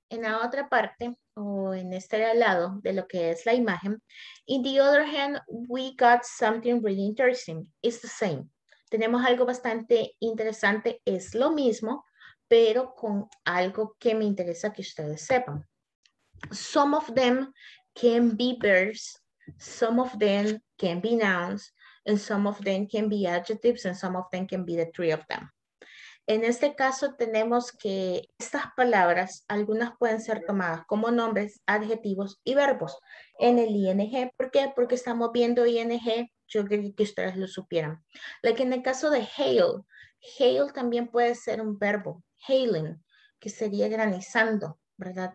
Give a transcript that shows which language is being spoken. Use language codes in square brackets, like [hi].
[es] En la otra parte, o en este lado de lo que es la imagen, [en] in the other hand, we got something really interesting. It's the same. [es] Tenemos algo bastante interesante, es lo mismo, pero con algo que me interesa que ustedes sepan. [en] Some of them can be verbs, some of them can be nouns, and some of them can be adjectives, and some of them can be the three of them. [es] En este caso tenemos que estas palabras, algunas pueden ser tomadas como nombres, adjetivos y verbos en el ING. ¿Por qué? Porque estamos viendo ING, yo quería que ustedes lo supieran. Like en el caso de hail, hail también puede ser un verbo, hailing, que sería granizando, ¿verdad?